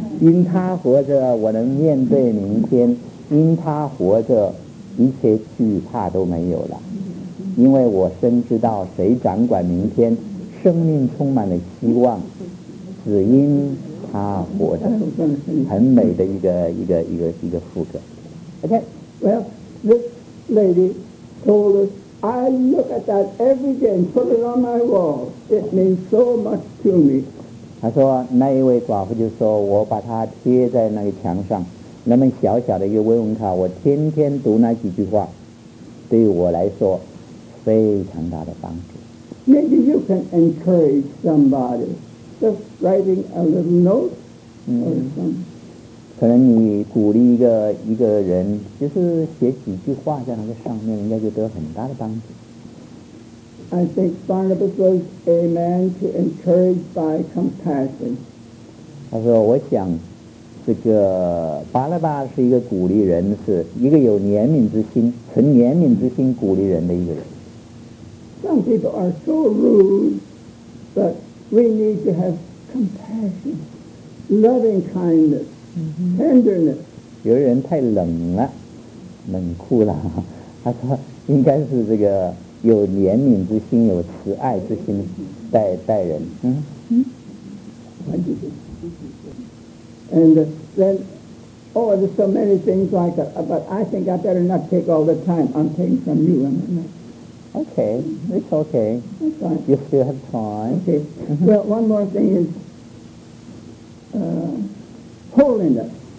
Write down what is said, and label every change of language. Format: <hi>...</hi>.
<zh>因他活着，我能面对明天。因他活着，一切惧怕都没有了，因为我深知道谁掌管明天，生命充满了希望，只因他活着。很美的一个副歌。</zh> <en>Okay, well, this lady told us, I look at that every day and put it on my wall. It means so much to me.</en> <zh>她说，那一位寡妇就说，我把它贴在那个墙上。那么小小的一个慰问卡，我天天读那几句话，对我来说非常大的帮助。</zh> <en>Maybe you can encourage somebody just writing a little note or something.</en> <zh>可能你鼓励一个人，就是写几句话在那个上面，应该就得很大的帮助。</zh> <en>I think Barnabas was a man to encourage by compassion.</en> <zh>他说，我想这个巴拉巴是一个鼓励人，是一个有怜悯之心，存怜悯之心鼓励人的一个人。</zh> <en>Some people are so rude, but we need to have compassion, loving kindness, tenderness.</en> <zh>有人太冷了，冷酷了，他说应该是这个有怜悯之心，有慈爱之心待人。嗯。</zh> <en>And then, oh, there's so many things like that, but I think I better not take all the time. I'm taking from you, am I not? Okay, it's okay. That's fine. You still have time. Okay, well, one more thing is holiness.</en>